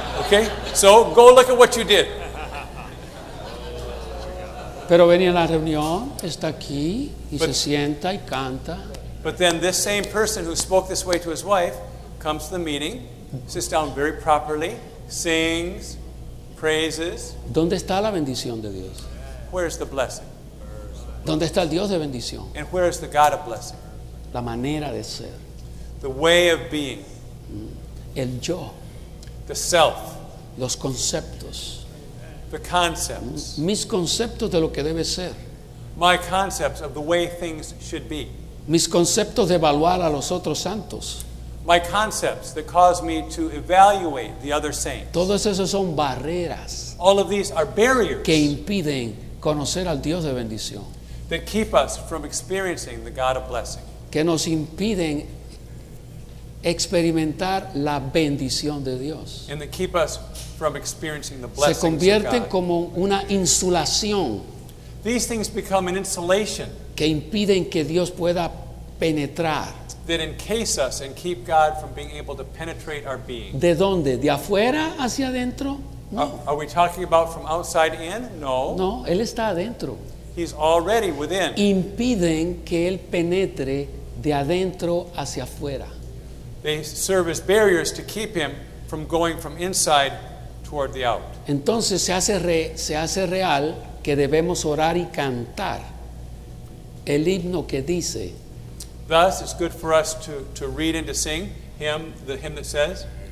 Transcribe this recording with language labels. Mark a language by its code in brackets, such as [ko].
[en] Okay, so go look at what you did. [es] Pero venía a la reunión, está aquí y se sienta y canta. [en] But then this same person who spoke this way to his wife comes to the meeting, sits down very properly, sings, praises. [es] ¿Dónde está la bendición de Dios? [en] Where is the blessing? [es] ¿Dónde está el Dios de bendición? [en] And where is the God of blessing? [es] La manera de ser. [en] The way of being. [es] El yo. [en] The self. [es] Los conceptos. [en] The concepts. [es] Mis conceptos de lo que debe ser. [en] My concepts of the way things should be. [es] Mis conceptos de evaluar a los otros santos. [en] My concepts that cause me to evaluate the other saints. [es] Todos esos son barreras. [en] All of these are barriers. [es] Que impiden conocer al Dios de bendición. [en] That keep us from experiencing the God of blessing. [es] Que nos impiden experimentar la bendición de Dios. [en] And they keep us from experiencing the blessings of God. [es] Se convierten como una insulación. [en] These things become an insulation. [es] Que impiden que Dios pueda penetrar. [en] that encase us and keep God from being able to penetrate our being. [es] ¿De dónde? ¿De afuera hacia adentro? No. [en] Are we talking about from outside in? No. [es] No, Él está adentro. [en] He's already within. [es] Impiden que Él penetre de adentro hacia afuera. [en] They serve as barriers to keep Him from going from inside toward the out. [es] Entonces se hace real que debemos orar y cantar el himno que dice. [en] Thus, it's good for us to read and to sing hymn, the hymn that says,